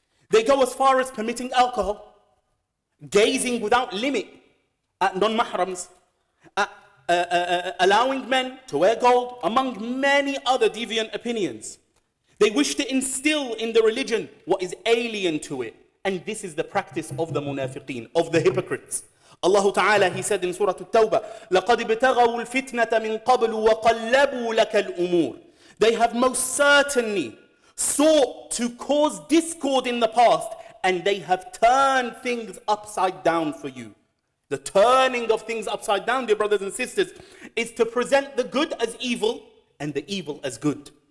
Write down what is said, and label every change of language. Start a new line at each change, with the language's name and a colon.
English: They go as far as permitting alcohol, gazing without limit, non-mahrams, allowing men to wear gold, among many other deviant opinions. They wish to instill in the religion what is alien to it. And this is the practice of the munafiqeen, of the hypocrites. Allah Ta'ala, he said in Surah At-Tawbah,
Arabic: لَقَدْ بِتَغَوُوا الْفِتْنَةَ مِنْ قَبْلُ وَقَلَّبُوا لَكَ الْأُمُورِ.
English: They have most certainly sought to cause discord in the past, and they have turned things upside down for you. The turning of things upside down, dear brothers and sisters, is to present the good as evil and the evil as good.